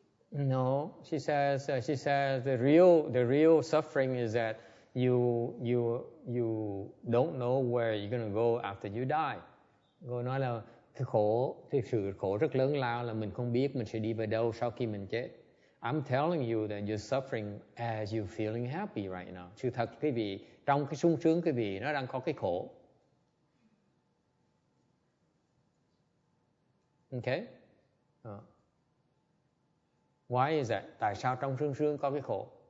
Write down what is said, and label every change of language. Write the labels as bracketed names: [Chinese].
[English] No, she says the real suffering is that you don't know where you're going to go after you die. [Vietnamese] Cô nói là cái khổ, cái sự khổ rất lớn lao là mình không biết mình sẽ đi về đâu sau khi mình chết. [English] I'm telling you that you're suffering as you're feeling happy right now. [Vietnamese] Sự thật quý vị, trong cái sung sướng quý vị nó đang có cái khổ. [English] Okay? Why is that? [Vietnamese] Tại sao trong sương sương có cái khổ?